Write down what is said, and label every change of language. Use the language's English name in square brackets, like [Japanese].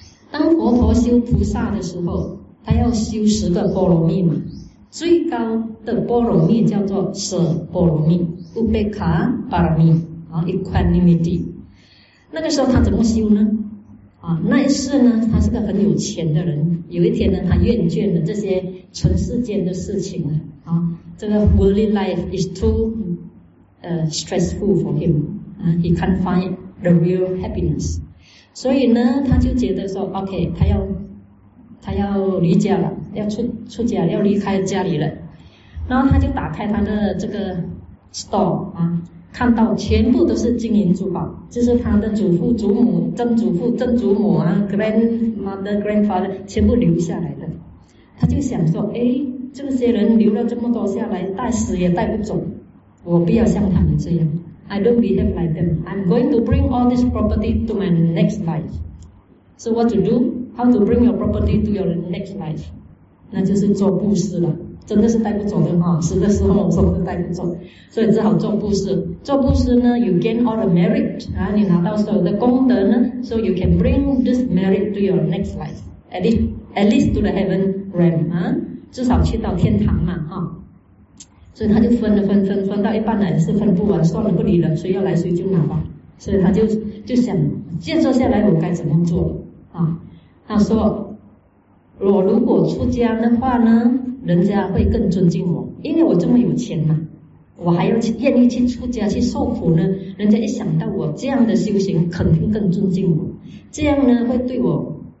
[Chinese] 当佛陀修菩萨的时候，他要修十个波罗蜜嘛，最高的波罗蜜叫做舍波罗蜜 upekkha parami equanimity。那个时候他怎么修呢？啊，那一世呢，他是个很有钱的人。有一天呢，他厌倦了这些尘世间的事情了。啊，这个 [English] worldly life is too stressful for him. He can't find the real happiness. [Chinese] 所以呢，他就觉得说 ，OK， 他要离家了，要出家，要离开家里了。然后他就打开他的这个 store 啊。看到全部都是金银珠宝，就是他的祖父祖母曾祖父曾祖母啊 grandmother grandfather 全部留下来的。他就想说，哎，这些人留了这么多下来，带死也带不走，我不要像他们这样。 [English] I don't behave like them. I'm going to bring all this property to my next life. So what to do? How to bring your property to your next life? [Chinese] 那就是做布施了，真的是带不走的哈，死的时候什么都带不走，所以只好做布施。做布施呢 [English] ，you gain all the merit [Chinese] 啊，你拿到所有的功德呢 [English] ，so you can bring this merit to your next life, at least to the heaven realm [Chinese] 啊，至少去到天堂嘛哈。所以他就分到一半呢是分不完，算了不理了，谁要来谁就拿吧。所以他就想建设下来我该怎么做啊？他说，我如果出家的话呢？人家会更尊敬我，因为我这么有钱嘛，我还要愿意去出家去受苦呢，人家一想到我这样的修行肯定更尊敬我，这样呢会对我